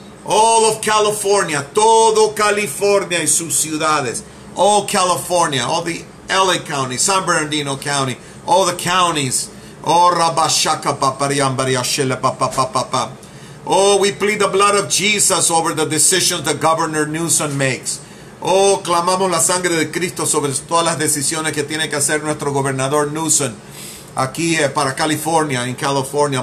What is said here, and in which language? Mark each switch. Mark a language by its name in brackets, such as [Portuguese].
[English] All of California, [Spanish] todo California y sus ciudades. [English] All California, all the LA County, San Bernardino County, all the counties. Oh, Rabashaka Papariambariashele Papapapa. Oh, we plead the blood of Jesus over the decisions the Governor Newsom makes. [Spanish] Oh, clamamos la sangre de Cristo sobre todas las decisiones que tiene que hacer nuestro gobernador Newsom aquí para California, en California.